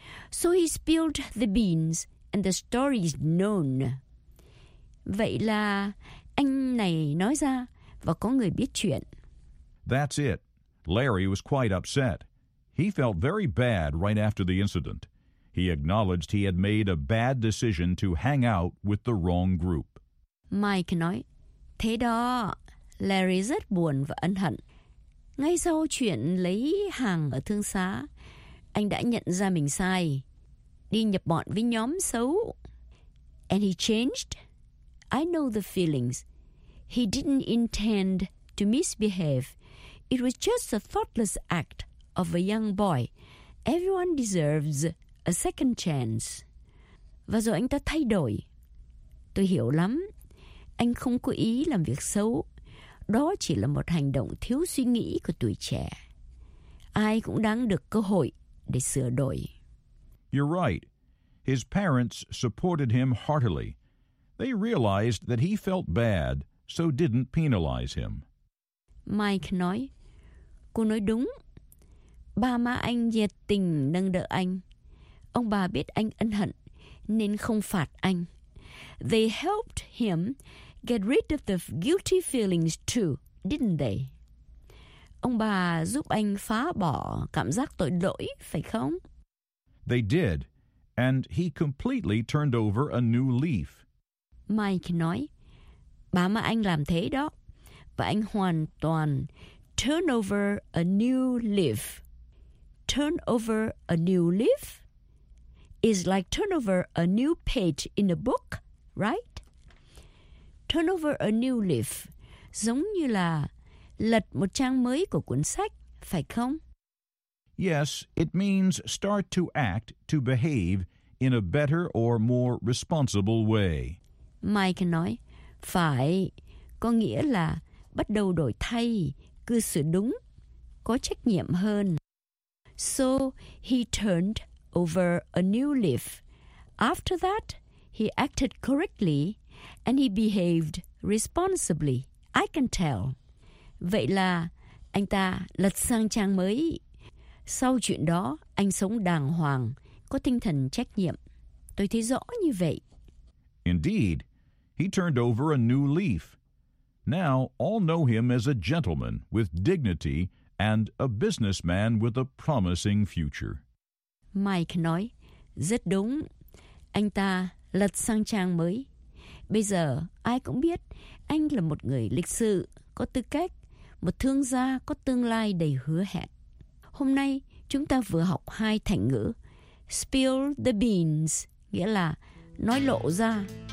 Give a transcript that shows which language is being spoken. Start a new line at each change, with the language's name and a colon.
English: So he spilled the beans and the story is known.
Vietnamese: Vậy là anh này nói ra và có người biết chuyện.
English: That's it. Larry was quite upset. He felt very bad right after the incident. He acknowledged he had made a bad decision to hang out with the wrong group.
Vietnamese: Mike nói, thế đó, Larry rất buồn và ân hận. Ngay sau chuyện lấy hàng ở thương xá, anh đã nhận ra mình sai, đi nhập bọn với nhóm xấu.
English: And he changed. I know the feelings. He didn't intend to misbehave. It was just a thoughtless act of a young boy. Everyone deserves a second chance.
Vietnamese: Và rồi anh ta thay đổi. Tôi hiểu lắm. Anh không có ý làm việc xấu. Đó chỉ là một hành động thiếu suy nghĩ của tuổi trẻ. Ai cũng đáng được cơ hội để sửa đổi.
English: You're right. His parents supported him heartily. They realized that he felt bad, so didn't penalize him.
Vietnamese: Mike nói, cô nói đúng. Ba má anh nhiệt tình nâng đỡ anh. Ông bà biết anh ân hận, nên không phạt anh.
English: They helped him get rid of the guilty feelings too, didn't they?
Vietnamese: Ông bà giúp anh phá bỏ cảm giác tội lỗi, phải không?
English: They did, and he completely turned over a new leaf.
Vietnamese: Mike nói, ba má anh làm thế đó, và anh hoàn toàn
English: turn over a new leaf. Turn over a new leaf is like turn over a new page in a book, right? Turn over a new leaf
Vietnamese: giống như là lật một trang mới của cuốn sách, phải không?
English: Yes, it means start to act, to behave in a better or more responsible way.
Vietnamese: Mike nói, phải, có nghĩa là bắt đầu đổi thay, cư xử đúng, có trách nhiệm hơn.
English: So he turned over a new leaf. After that, he acted correctly and he behaved responsibly. I can tell.
Vietnamese: Vậy là anh ta lật sang trang mới. Sau chuyện đó, anh sống đàng hoàng, có tinh thần trách nhiệm. Tôi thấy rõ như vậy.
English: Indeed, he turned over a new leaf. Now all know him as a gentleman with dignity and a businessman with a promising future.
Vietnamese: Mike nói, rất đúng. Anh ta lật sang trang mới. Bây giờ ai cũng biết anh là một người lịch sự, có tư cách, một thương gia có tương lai đầy hứa hẹn. Hôm nay chúng ta vừa học hai thành ngữ.
English: Spill the beans,
Vietnamese: nghĩa là nói lộ ra.